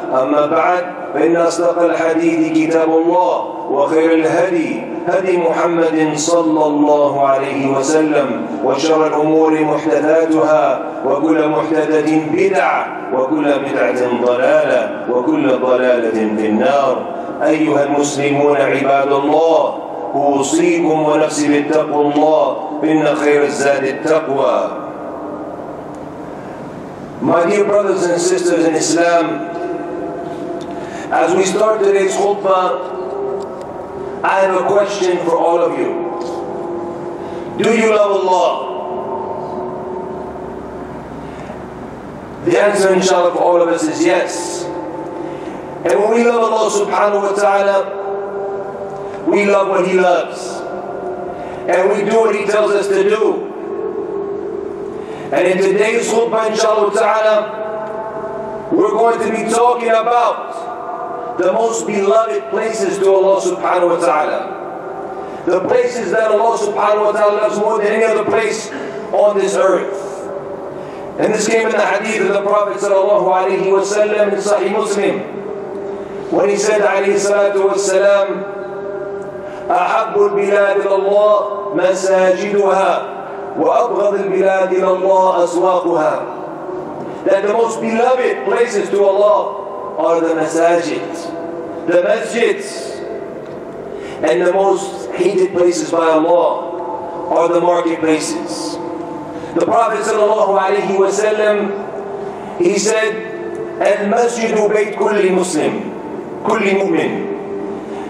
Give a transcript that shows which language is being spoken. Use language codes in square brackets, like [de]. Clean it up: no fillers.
[ar] أما بعد فإن أصدق الحديث كتاب الله وخير الهدي هدي محمد صلى الله عليه وسلم وشر الأمور محدثاتها وكل محدثة بدعة وكل بدعة ضلالة وكل ضلالة في النار. أيها المسلمون عباد الله أوصيكم ونفسي بالتقوى الله إن خير الزاد التقوى. [en] My dear brothers and sisters in Islam, as we start today's khutbah, I have a question for all of you. Do you love Allah? The answer, inshallah, for all of us is yes. And when we love Allah subhanahu wa ta'ala, we love what He loves. and we do what he tells us to do. And in today's khutbah, inshallah ta'ala, we're going to be talking about the most beloved places to Allah subhanahu wa ta'ala. The places that Allah subhanahu wa ta'ala loves more than any other place on this earth. And this came in the hadith of the Prophet sallallahu alayhi wa sallam in Sahih Muslim. When he said, [ar] alayhi salatu wa salam, أَحَبُّ الْبِلَادِ لَاللَّهِ مَسَاجِدُهَا وَأَبْغَضِ الْبِلَادِ لَاللَّهِ أَسْوَاقُهَا. [en] That the most beloved places to Allah are the masajid, the masjids, and the most hated places by Allah are the marketplaces. The Prophet sallallahu alayhi wa sallam, he said, [ar] الْمَسْجِدُ بَيْتْ كُلِّ مُسْلِمْ كُلِّ مُؤْمِنْ.